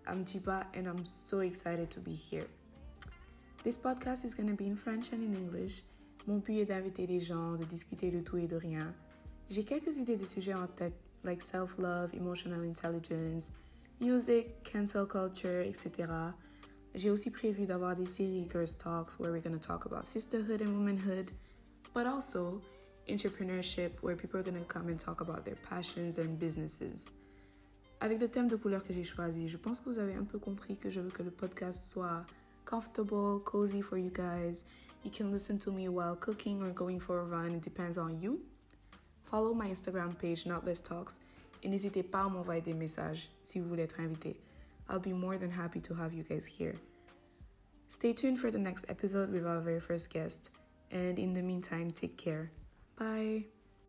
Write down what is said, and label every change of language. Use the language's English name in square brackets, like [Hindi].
[English] I'm Jiba and I'm so excited to be here. This podcast is going to be in French and in English. [French] Mon but est d'inviter des gens, de discuter de tout et de rien. J'ai quelques idées de sujets en tête, [English] like self-love, emotional intelligence, music, cancel culture, etc. [French] J'ai aussi prévu d'avoir des séries [English] Girls Talks where we're going to talk about sisterhood and womanhood, but also entrepreneurship where people are going to come and talk about their passions and businesses. [French] Avec le thème de couleur que j'ai choisi, je pense que vous avez un peu compris que je veux que le podcast soit [English] comfortable, cozy for you guys. You can listen to me while cooking or going for a run, it depends on you. Follow my Instagram page, [French] Knotless Talks, et n'hésitez pas à m'envoyer des messages si vous voulez être invité. [English] I'll be more than happy to have you guys here. Stay tuned for the next episode with our very first guest. And in the meantime, take care. Bye!